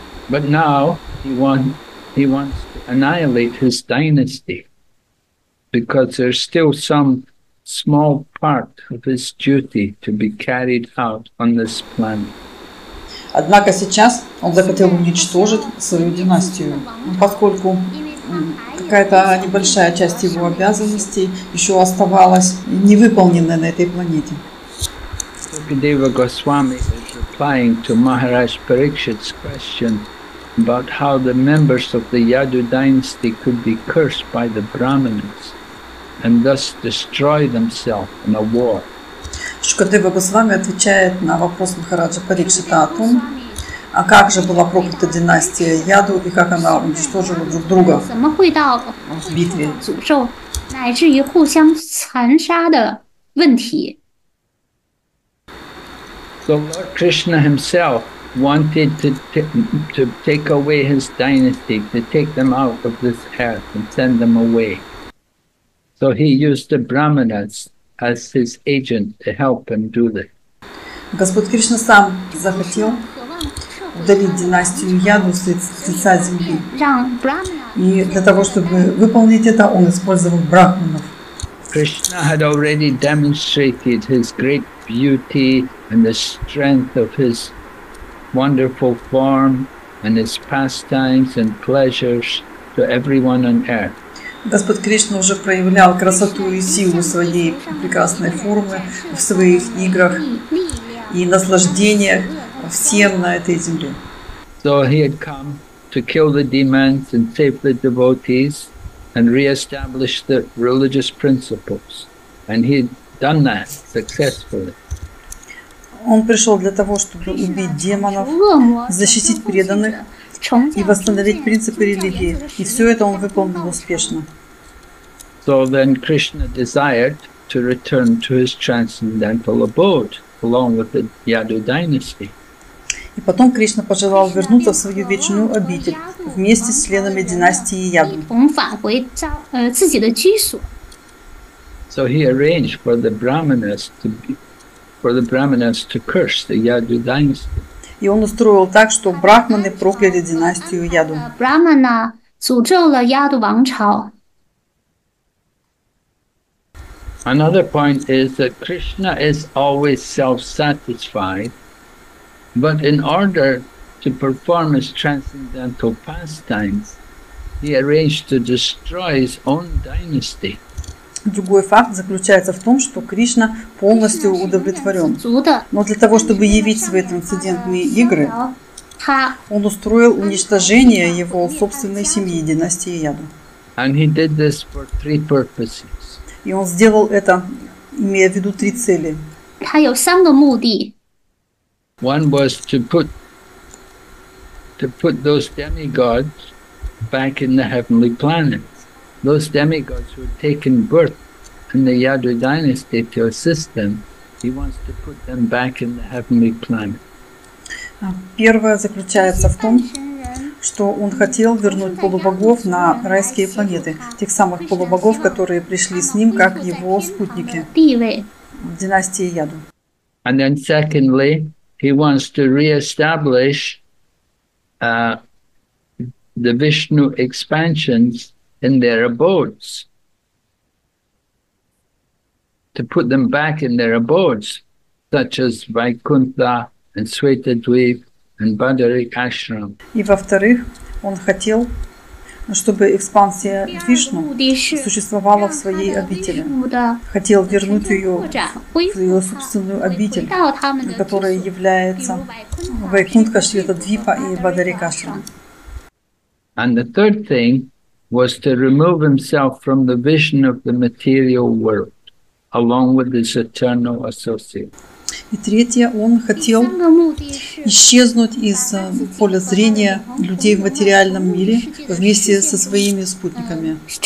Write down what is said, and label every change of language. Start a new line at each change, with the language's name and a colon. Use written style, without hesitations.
English: But now he wants to annihilate his dynasty. Because there's still some small part of his duty to be carried out on this planet.
Russian: Однако сейчас он захотел уничтожить свою династию, поскольку какая-то небольшая часть его обязанностей еще оставалась невыполненной на этой планете.
English: Sukadeva Goswami is replying to Maharaj Parikshit's question about how the members of the Yadu dynasty could be cursed by the Brahmins. And thus destroy themselves in a war.
Russian: Шукадева Госвами отвечает на вопрос Махараджа Парикшита о том, а как же была проклята династия Яду и как она уничтожила друг друга в битве.
English: So Lord Krishna himself wanted to take away his dynasty, to take them out of this earth and send them away. So he used the brahmanas as his agent to help him do this.
Russian: Господь Кришна сам захотел удалить династию Яду с лица земли. И для того, чтобы выполнить это, он использовал брахманов.
English: Krishna had already demonstrated his great beauty and the strength of his wonderful form and his pastimes and pleasures to everyone on earth.
Russian: Господь Кришна уже проявлял красоту и силу своей прекрасной формы в своих играх и наслаждениях всем на этой земле.
English: So he had come to kill the demons and save the devotees and re-establish the religious principles. And he had done that successfully.
Russian: Он пришел для того, чтобы убить демонов, защитить преданных и восстановить принципы религии. И все это он выполнил успешно.
English: So then Krishna desired to return to his transcendental abode along with the Yadu dynasty.
Russian: И потом Кришна пожелал вернуться в свою вечную обитель вместе с членами династии Яду.
English: So he arranged for the brahmanas to be, for the brahmanas to curse the Yadu dynasty.
Russian: И он устроил так, что брахманы прокляли династию Яду. Брахмана сужила Яду вангчао.
English: Another point is that Krishna is always self-satisfied, but in order to perform his transcendental pastimes, he arranged to destroy his own dynasty.
Russian: Другой факт заключается в том, что Кришна полностью удовлетворен. Но для того, чтобы явить свои трансцендентные игры, он устроил уничтожение его собственной семьи, династии Яду.
English: And he did this for three purposes.
Russian: И он сделал это, имея в виду три цели.
English: One was to put those demigods back in the heavenly planets. Those demigods who had taken birth in the Yadu dynasty to assist them, he wants to put them back in the heavenly planets.
Russian: Первое заключается в том, что он хотел вернуть полубогов на райские планеты, тех самых полубогов, которые пришли с ним как его спутники в династии Яду.
English: And then secondly, he wants to re-establish the Vishnu expansions in their abodes, to put them back in their abodes, such as Vaikuntha and Svetadvipa and Badarik Ashram.
Russian: И во-вторых, он хотел, чтобы экспансия Вишну существовала в своей обители. Хотел вернуть ее в ее собственную обитель, которая является Вайкунтха, Шветадвипа и Бадарик Ашрам.
English: And the third thing was to remove himself from the vision of the material world, along with his eternal associates.
Russian: И третье, он хотел исчезнуть из поля зрения людей в материальном мире вместе со своими спутниками.